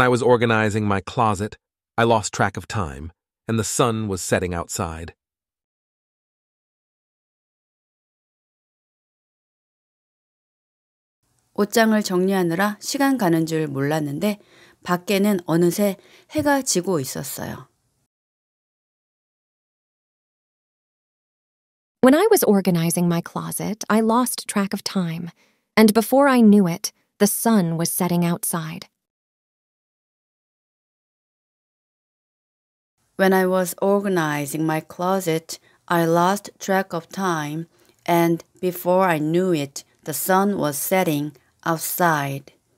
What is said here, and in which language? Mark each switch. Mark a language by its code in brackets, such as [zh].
[en] I was organizing my closet, I lost track of time, and the sun was setting outside. When I was organizing my closet, I lost track of time, and the sun was setting outside. [ko] 옷장을 정리하느라 시간 가는 줄 몰랐는데 밖에는 어느새 해가 지고 있었어요. [en] When I was organizing my closet, I lost track of time, and before I knew it, the sun was setting outside. When I was organizing my closet, I lost track of time, and before I knew it, the sun was setting outside.